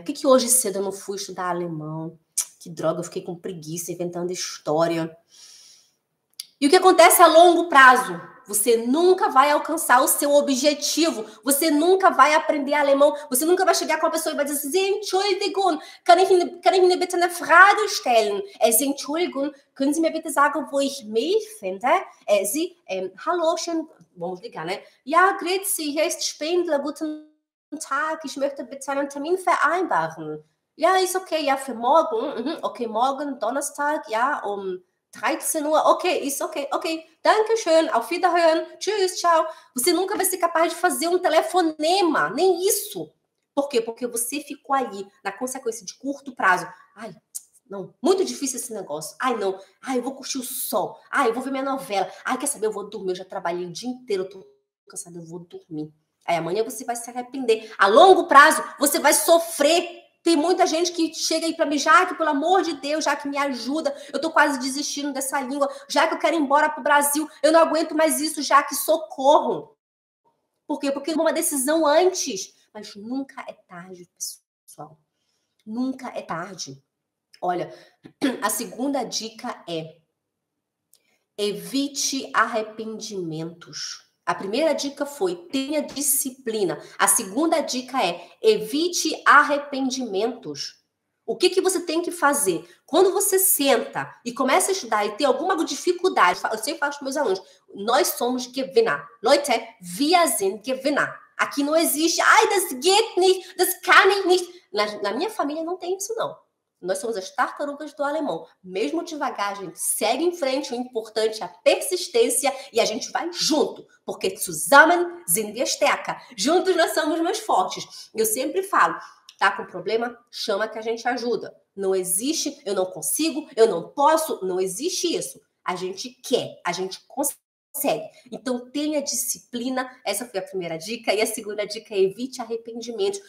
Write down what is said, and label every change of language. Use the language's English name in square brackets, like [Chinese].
[Portuguese] Por que que hoje cedo eu não fui estudar alemão? Que droga, eu fiquei com preguiça inventando história. E o que acontece a longo prazo? Você nunca vai alcançar o seu objetivo. Você nunca vai aprender alemão. Você nunca vai chegar com uma pessoa e vai dizer: [German] Entschuldigung, kann ich mir bitte eine Frage stellen? Entschuldigung, können Sie mir bitte sagen, wo ich mich finde? Hallo, schön. [Portuguese] Vamos ligar, né? [German] Ja, grüezi, hier ist Spindler, guten Tag. Ich möchte bitte einen Termin vereinbaren. Ja, ist okay, ja, für morgen. Okay, morgen, Donnerstag, ja, 13 Uhr, okay, ist okay, okay. Dankeschön, auf Wiederhören, tschüss, tchau. [Portuguese] Você nunca vai ser capaz de fazer um telefonema, nem isso. Por quê? Porque você ficou aí na consequência de curto prazo. Ai, não, muito difícil esse negócio. Ai, não, ai, eu vou curtir o sol. Ai, eu vou ver minha novela. Ai, quer saber? Eu vou dormir, eu já trabalhei o dia inteiro, eu tô cansada, eu vou dormir. Aí amanhã você vai se arrepender. A longo prazo, você vai sofrer. Tem muita gente que chega aí para mim: Jaque, pelo amor de Deus, Jaque, me ajuda. Eu tô quase desistindo dessa língua. Jaque, eu quero ir embora pro Brasil. Eu não aguento mais isso, Jaque, socorro. Por quê? Porque uma decisão antes. Mas nunca é tarde, pessoal. Nunca é tarde. Olha, a segunda dica é: evite arrependimentos. A primeira dica foi: tenha disciplina. A segunda dica é: evite arrependimentos. O que que você tem que fazer? Quando você senta e começa a estudar e tem alguma dificuldade, eu sempre falo para os meus alunos: nós somos Gewinner. [German] Leute, wir sind Gewinner. [Portuguese] Aqui não existe, ai, [German] das geht nicht, das kann ich nicht. [Portuguese] Na minha família não tem isso, não. Nós somos as tartarugas do alemão. Mesmo devagar, a gente segue em frente. O importante é a persistência e a gente vai junto. Porque [German] zusammen sind wir stärker. [Portuguese] Juntos nós somos mais fortes. Eu sempre falo: tá com problema? Chama que a gente ajuda. Não existe, eu não consigo, eu não posso, não existe isso. A gente quer, a gente consegue. Então tenha disciplina. Essa foi a primeira dica. E a segunda dica é: evite arrependimentos.